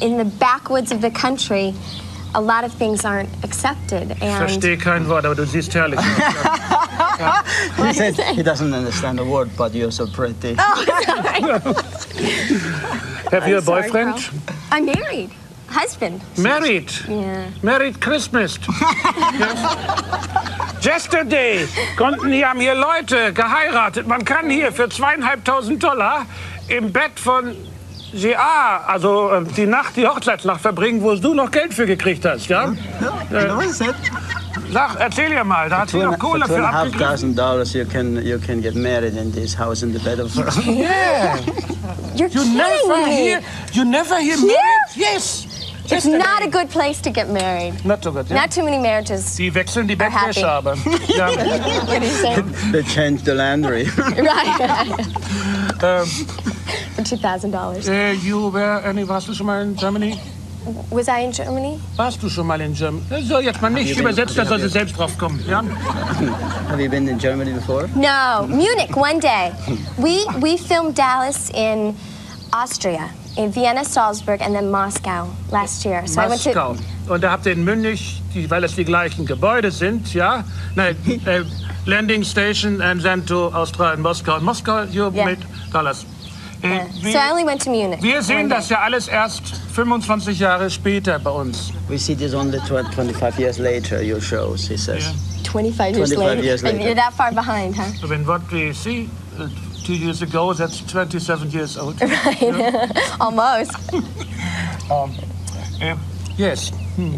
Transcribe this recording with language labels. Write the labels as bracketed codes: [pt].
[en] And in the backwoods of the country, a lot of things aren't accepted. And [de] ich verstehe kein Wort, aber du siehst herrlich aus. [en] He doesn't understand a word, but you're so pretty. Oh, sorry. Have you a boyfriend? Sorry, I'm married. Husband. Married? Yeah. Married Christmas. Yesterday [de] konnten hier, haben hier Leute geheiratet. Man kann hier für $2,500 im Bett von G.A., also die Nacht, die Hochzeitsnacht verbringen, wo du noch Geld für gekriegt hast, ja? Ja, ich weiß es. Sag, erzähl ihr mal, da hat sie noch Kohle für abgegriffen. [en] $2,500, you can get married in this house in the bed of her. Yeah. You're kidding me. You never hear married? Yes. It's not a good place to get married. Not so good, yeah. Not too many marriages. [de] Sie wechseln die Bettwäsche, aber. [en] Yeah. What are you saying? They change the laundry. Right. For $2,000. You were any of us [de] schon mal [en] in Germany? Was I in Germany? [de] Warst du schon mal in Germany? So, jetzt mal nicht übersetzt, da soll sie selbst drauf kommen. Ja? [en] Have you been in Germany before? No, Munich, one day. We filmed Dallas in Austria. In Vienna, Salzburg and then Moscow last year. So Moscow. I went to... [de] Und da habt ihr in Munich, weil es die gleichen Gebäude sind, ja? Nein, [en] Landing Station and then to Austria and Moscow. In Moscow, you yeah. made Dallas. Yeah. So I only went to Munich. [de] Wir sehen das ja alles erst 25 Jahre später bei uns. [en] We see this only 25 years later, your shows, he says. Yeah. 25 years later. You're that far behind, huh? I mean, what we see 2 years ago, that's 27 years old. Right. Yeah. Almost. Yes. Hmm.